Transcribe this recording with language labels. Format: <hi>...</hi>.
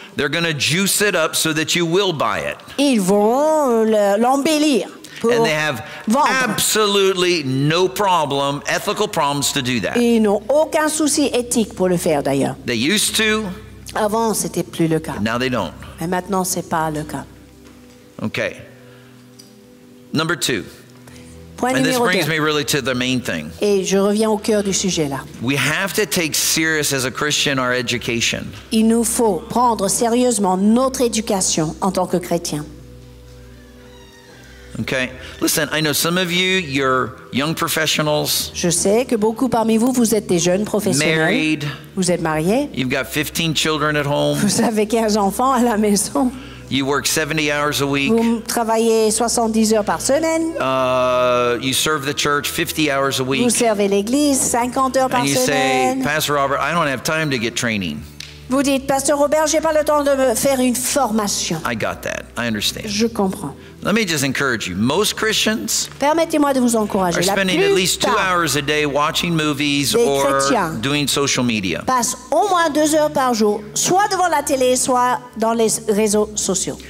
<en>they're going to juice it up so that you will buy it.</en> <fr>Ils vont l'embellir pour</fr> <en>and they have</en> <fr>vendre.</fr> <en>Absolutely no problem, ethical problems to do that.</en> <fr>Ils n'ont aucun souci éthique pour le faire d'ailleurs.</fr> <en>They used to.</en> <fr>Avant, c'était plus le cas.</fr> <en>Now they don't.</en> <fr>Mais maintenant, c'est pas le cas.</fr> <en>Okay. Number two.</en> <fr>Point</fr> <en>and this brings</en> <fr>deux.</fr> <en>Me really to the main thing.</en> <fr>Et je reviens au cœur du sujet là.</fr> <en>We have to take serious as a Christian our education.</en> <fr>Il nous faut prendre sérieusement notre éducation en tant que chrétien.</fr> <en>Okay. Listen, I know some of you, you're young professionals.</en> <fr>Je sais que beaucoup parmi vous, vous êtes des jeunes professionnels.</fr> <en>Married.</en> <fr>Vous êtes mariés.</fr> <en>You've got 15 children at home.</en> <fr>Vous avez 15 enfants à la maison.</fr> <en>You work 70 hours a week.</en> <fr>Vous travaillez 70 heures par semaine.</fr> <en>You serve the church 50 hours a week.</en> <fr>Vous servez l'église 50 heures par</fr> <en>and you</en> <fr>semaine.</fr> <en>Say, Pastor Robert, I don't have time to get training.</en> <fr>Vous dites, Pasteur Robert, j'ai pas le temps de faire une formation.</fr> <en>I got that. I understand.</en> <fr>Je comprends.</fr> <en>Let me just encourage you. Most Christians</en> <fr>permettez-moi de vous encourager.</fr> <en>Are spending at least 2 hours a day watching movies or doing social media.</en> <fr>Passent au moins 2 heures par jour, soit devant la télé, soit dans les réseaux sociaux.</fr>